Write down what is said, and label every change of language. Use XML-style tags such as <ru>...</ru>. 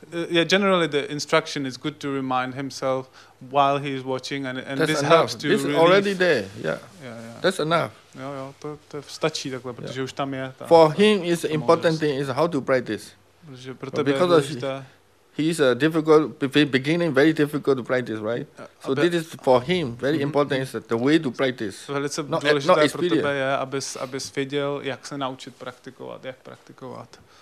<en>Yeah, generally the instruction is good to remind himself while he's watching, and this enough. Helps to this relieve. This already there, yeah. Yeah. That's enough.</en> <cs>To stačí takhle, protože už tam je.</cs> <en>For him, is important thing is how to play this. Because he is a difficult beginning, very difficult to practice, right? So this is for him very important is the way to practice.</en> <cs>Velice důležité pro tebe je, abys věděl, jak se naučit praktikovat, jak praktikovat.</cs>